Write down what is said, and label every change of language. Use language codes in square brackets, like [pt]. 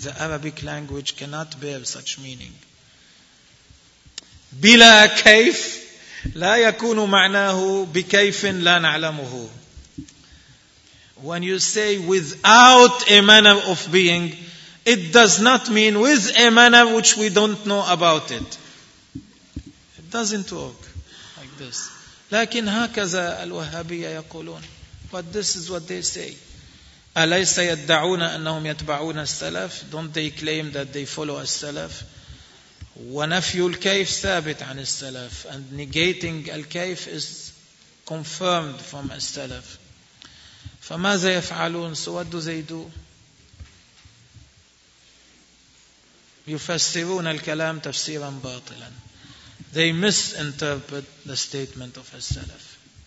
[en] The Arabic language cannot bear such meaning. [ar] بلا كيف لا يكون معناه بكيف لا نعلمه. [en] When you say without a manner of being, it does not mean with a manner which we don't know about it. It doesn't work like this. [ar] لكن هكذا الوهابية يقولون, [en] but this is what they say. [ar] أليس يدعون أنهم يتبعون السلف؟ [en] Don't they claim that they follow [ar] السلف؟ ونفي الكيف ثابت عن السلف. [en] And negating الكيف is confirmed from السلف. [ar] فماذا يفعلون؟ [en] So what do they do? [ar] يفسرون الكلام تفسيرا باطلا. [en] They misinterpret the statement of السلف.